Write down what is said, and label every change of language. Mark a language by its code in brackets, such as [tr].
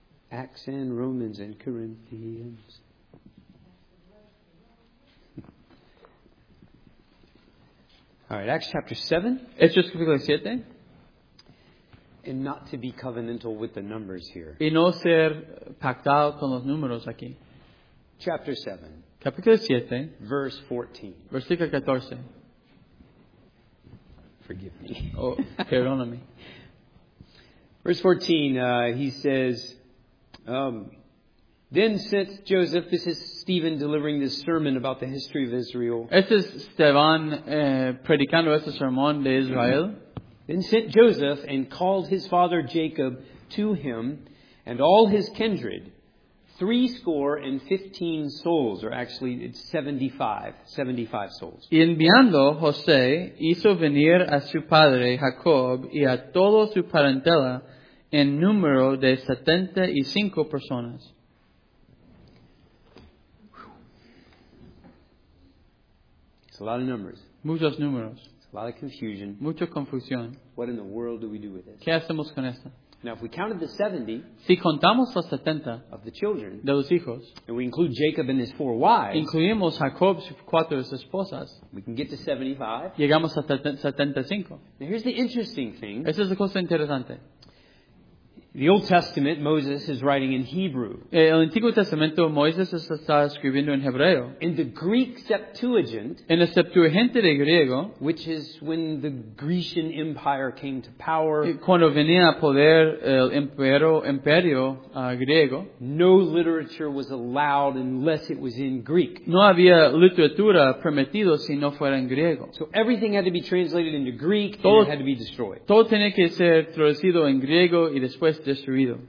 [en] Acts and Romans and Corinthians. All right, Acts chapter 7. [es] Hechos capítulo 7. [en] And not to be covenantal with the numbers here. [es] Y no ser pactado con los números aquí. [en] Chapter 7. [es] Capítulo 7. [en] Verse 14. [es] Versículo 14. [en] Forgive me. [es] Oh, perdóname. [en] Verse 14, he says... then sent Joseph, this is Stephen delivering this sermon about the history of Israel. [es] Este es Esteban predicando este sermón de Israel. [en] Then sent Joseph and called his father Jacob to him and all his kindred. 75 souls, or actually it's 75 souls. [es] Y enviando José hizo venir a su padre Jacob y a todo su parentela en número de 75 personas. [en] It's a lot of numbers. [es] Muchos números. [en] It's a lot of confusion. [es] Mucha confusión. [en] What in the world do we do with it? [es] ¿Qué hacemos con esto? [en] Now, if we counted the 70, [es] si contamos los 70 [en] of the children, [es] de los hijos, [en] and we include Jacob and his four wives, [es] incluimos Jacob's cuatro esposas, [en] we can get to 75. [es] Llegamos a 75. [en] Now, here's the interesting thing. [es] Esa es la cosa interesante. [en] The Old Testament, Moses is writing in Hebrew. [es] El Antiguo Testamento, Moisés está escribiendo en hebreo. [en] In the Greek Septuagint, [es] en el Septuaginta de griego, [en] which is when the Grecian Empire came to power, [es] cuando venía a poder el imperio griego, [en] no literature was allowed unless it was in Greek. [es] No había literatura permitido si no fuera en griego. [en] So everything had to be translated into Greek, todo, and it had to be destroyed. [es] Todo tenía que ser traducido en griego y después destruido.